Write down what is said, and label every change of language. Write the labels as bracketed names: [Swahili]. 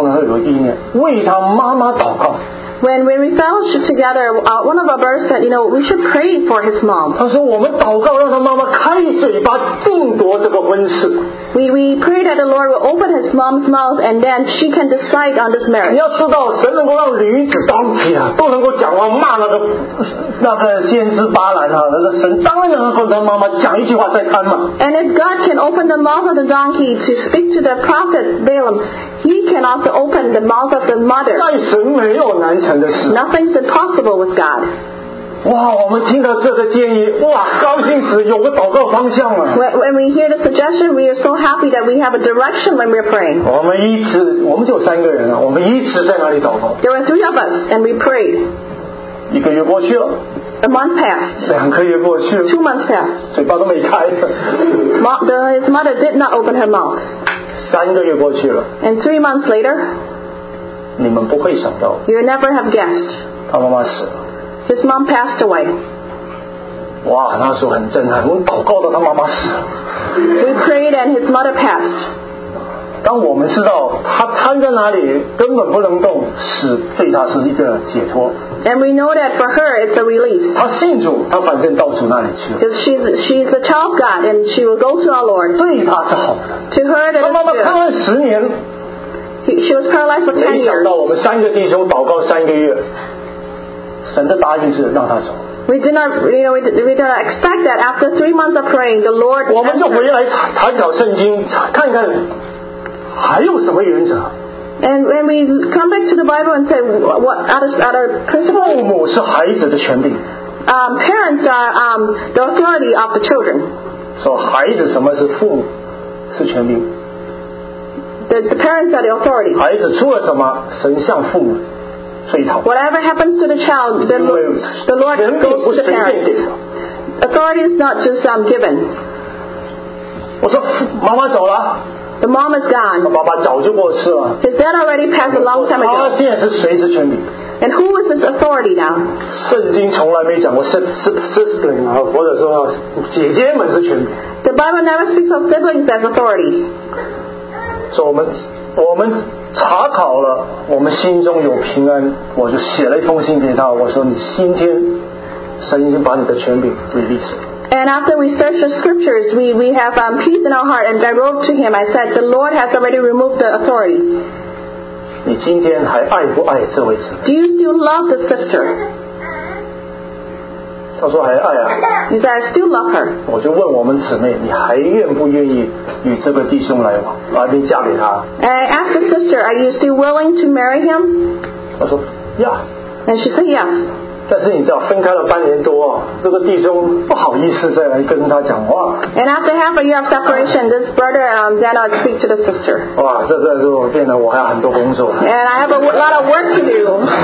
[Chinese] 我们弟兄有个突然间有个意念，有一次我们在交通的时候有个意念，为他妈妈祷告。 [English] When we fellowship together, one of our brothers said, you know, we should pray for his mom. [Chinese] 他说我们祷告让他妈妈开嘴巴定夺这个婚事。 [English] We pray that the Lord will open his mom's mouth and then she can decide on this marriage. [Chinese] 你要知道神能够让驴子当皮啊，都能够讲话骂那个先知巴兰啊，那个神当然能够跟他妈妈讲一句话再看嘛。 [English] And if God can open the mouth of the donkey to speak to the prophet Balaam, he can also open the mouth of the mother. Nothing's impossible with God. [Chinese] 哇，我们听到这个建议，哇，高兴死，有个祷告方向了。When [English] we hear the suggestion, we are so happy that we have a direction when we're praying. [Chinese] 我们一直，我们就三个人啊，我们一直在那里祷告。 [English] There were three of us, and we prayed. [Chinese] 一个月过去了。 [English] A month passed. [Chinese] 两个月过去了。 [English] Two months passed. [Chinese] 嘴巴都没开。 [English] His mother did not open her mouth. [Chinese] 三个月过去了。 [English] And 3 months later. [Chinese] 你们不会想到。 [English] You never have guessed. [Chinese] 他妈妈死了。 [English] His mom passed away. [Chinese] 哇，那时候很震撼。我们祷告到他妈妈死。 [English] We prayed and his mother passed. [Chinese] 当我们知道他瘫在哪里，根本不能动，死对他是一个解脱。 [English] And we know that for her it's a release. [Chinese] 他信主，他反正到主那里去。 [English] Because she's the child of God and she will go to our Lord. [Chinese] 对他是好的。 [English] To her that is good. [Chinese] 他妈妈瘫了十年。 [English] She was paralyzed for 10 years. [Chinese] 没想到我们三个弟兄祷告三个月，神的答应是让他走。 [English] We did not, you know, we did not expect that after 3 months of praying, the Lord. [Chinese] 我们就回来参考圣经，看看还有什么原则。 [English] And when we come back to the Bible and say what other principles. [Chinese] 父母是孩子的权柄。 [English] Parents are the authority of the children. [Chinese] So 孩子什么是父母是权柄。 [English] The parents are the authority. [Chinese] 孩子出了什么，神向父母。 [English] Whatever happens to the child, the Lord goes to the parents. Authority is not just given. [Chinese] 我说妈妈走了。 [English] The mom is gone. [Chinese] 爸爸早就过世了。 [English] His dad already passed a long time ago. [Chinese] 他现在是谁是权柄？ [English] And who is his authority now? [Chinese] 圣经从来没讲过 sibling 啊，或者说姐姐们是权柄。 [English] The Bible never speaks of siblings as authority. [Chinese] 所以我们查考了，我们心中有平安，我就写了一封信给他，我说你今天神已经把你的权柄 release。 [English] And after we searched the scriptures, we have peace in our heart, and I wrote to him, I said, the Lord has already removed the authority. [Chinese] 你今天还爱不爱这位姊妹？ [English] Do you still love the sister? [Chinese] 他说还爱啊。 [English] He said, I still love her. [Chinese] 我就问我们姊妹，你还愿不愿意与这个弟兄来往，把你嫁给他？ [English] I asked the sister, are you still willing to marry him? [Chinese] 他说 yeah. [English] And she said yes. [Chinese] 但是你知道分开了半年多，这个弟兄不好意思再来跟他讲话。 [English] And after half a year of separation, this brother did not speak to the sister. [Chinese] 哇，这时候变得我还有很多工作。 [English] And I have a lot of work to do.